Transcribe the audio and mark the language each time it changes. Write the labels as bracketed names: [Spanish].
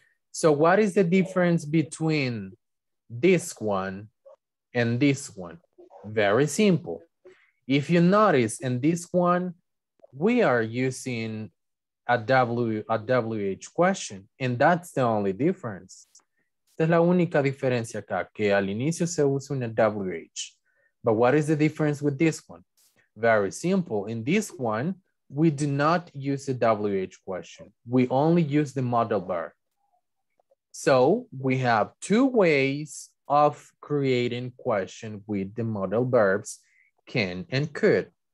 [English] So what is the difference between this one and this one? Very simple. If you notice in this one, we are using a WH question, and that's the only difference. [Spanish] Esta es la única diferencia acá, que al inicio se usa una WH. [English] But what is the difference with this one? Very simple. In this one, we do not use a WH question. We only use the modal verb. So we have two ways of creating question with the modal verbs, can and could.